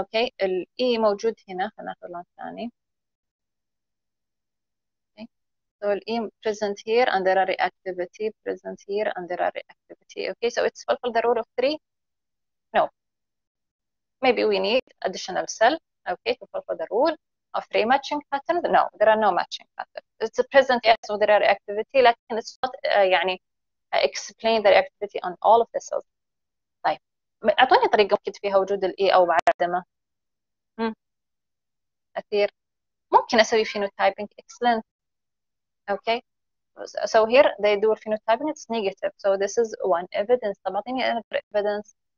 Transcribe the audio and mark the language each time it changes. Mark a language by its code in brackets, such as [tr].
[ar] Okay, ال E موجود هنا فناخذ لون ثاني. [en] Okay, so E present here and there are reactivity present here and there are reactivity. Okay, so it's fulfill the rule of three. No, maybe we need additional cell. Okay, to fulfill the rule of three matching patterns. No, there are no matching patterns. It's present yes, so there are reactivity. لكن it's not يعني I explain the reactivity on all of the cells. [ar] طيب أعطوني طريقة ممكن فيها وجود الإي أو عدمه. [en] أثير [ar] ممكن أسوي [en] phenotyping excellent. Okay. So here they do phenotyping it's negative. So this is one evidence. [ar] طب أعطيني [en] another evidence.